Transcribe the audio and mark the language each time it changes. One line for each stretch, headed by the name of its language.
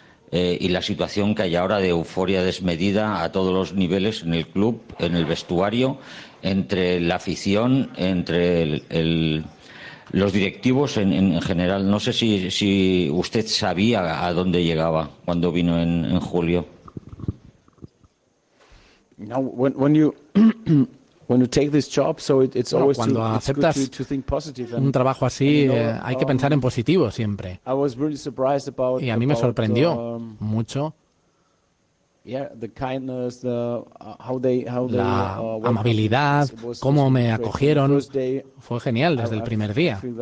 Spanish: y la situación que hay ahora de euforia desmedida a todos los niveles en el club, en el vestuario, entre la afición, entre los directivos en general. No sé si usted sabía a dónde llegaba cuando vino en julio.
English: No, when you take this job, so it's always
Spanish: cuando aceptas un trabajo así, hay que pensar en positivo siempre.
English: I was really surprised about,
Spanish: y a mí me sorprendió mucho.
English: Yeah, the kindness, the how they
Spanish: la amabilidad, cómo me acogieron, fue genial desde el primer día.